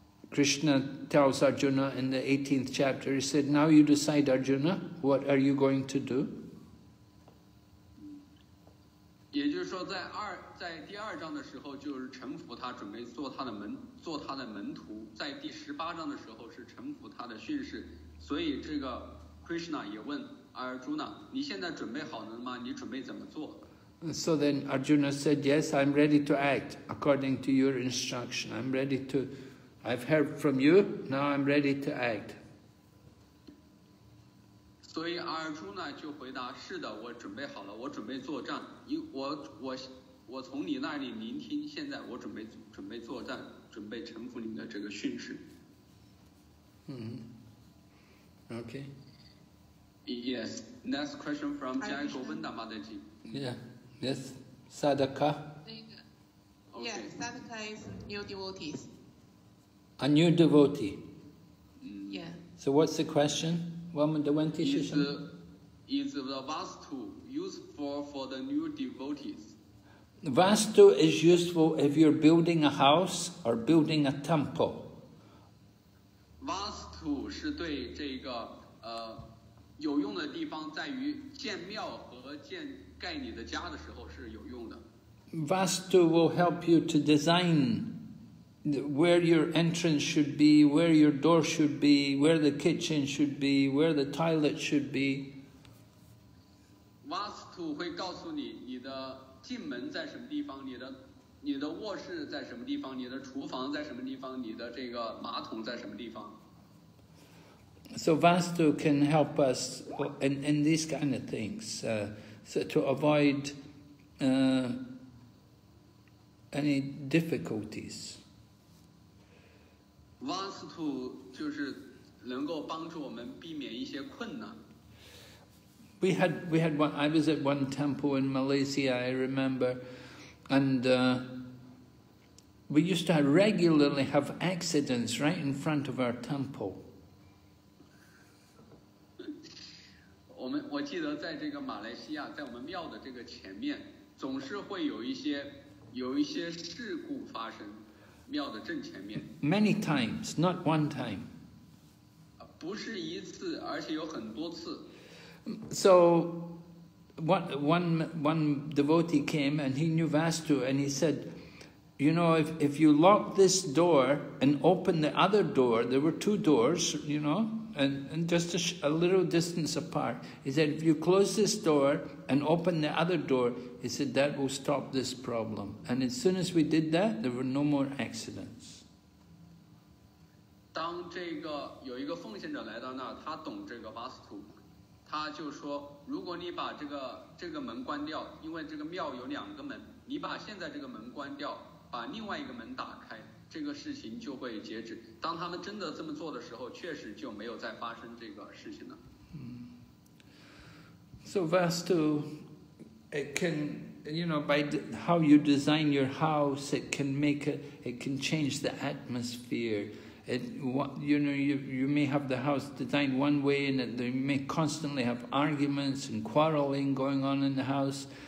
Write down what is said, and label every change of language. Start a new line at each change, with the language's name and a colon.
English: Krishna tells Arjuna in the 18th chapter, he said, now you decide, Arjuna, what are you going to do?
Chinese: 也就是说在第二章的时候就是臣服他准备做他的门徒在第十八章的时候是臣服他的训示所以这个 Krishna 也问 Arjuna 你现在准备好了吗你准备怎么做
English: So then Arjuna said yes I'm ready to act according to your instruction I'm ready to I've heard from you now I'm ready to act
Chinese: 所以 Arjuna 就回答是的我准备好了我准备作战我从你那里聆听，现在我准备作战，准备臣服你的这个训示。嗯、mm-hmm. ，OK。
English: Yes, next question from Jai Govinda Mataji. Yeah, yes, Sadaka. Okay. Yes, Sadaka is new devotees. A new devotee. Yeah. So what's the question? Woman, the one is the vastu useful for the new devotees? Vastu is useful if you're building a house or building a temple.
Chinese: Vastu 是对这个有用的地方在于建庙和建盖你的家的时候是有用的。
English: Vastu will help you to design where your entrance should be, where your door should be, where the kitchen should be, where the toilet should be.
Chinese: Vastu 会告诉你你的进门在什么地方你的卧室在什么地方你的厨房在什么地方你的这个马桶在什么地方
English: So Vastu can help us in these kind of things so to avoid any difficulties
Chinese: Vastu 就是能够帮助我们避免一些困难
English: We had one. I was at one temple in Malaysia. I remember, and we used to regularly have accidents right in front of our temple.
Chinese: 我记得在这个马来西亚，在我们庙的这个前面，总是会有一些事故发生，庙的正前面。
English: Many times, not one time.
Chinese: 不是一次，而且有很多次。
English: So one devotee came and he knew Vastu and he said, you know, if you lock this door and open the other door, there were two doors, you know, and just a little distance apart. He said, if you close this door and open the other door, he said, that will stop this problem. And as soon as we did that, there were no more accidents.
Chinese: 当这个有一个奉献者来到那儿，他懂这个 Vastu， 他就说，如果你把这个门关掉，因为这个庙有两个门，你把现在这个门关掉，把另外一个门打开，这个事情就会截止。当他们真的这么做的时候，确实就没有再发生这个事情了。
English: So Vastu, it can, you know, by how you design your house, it can make it can change the atmosphere. You may have the house designed one way, and they may constantly have arguments and quarreling going on in the house.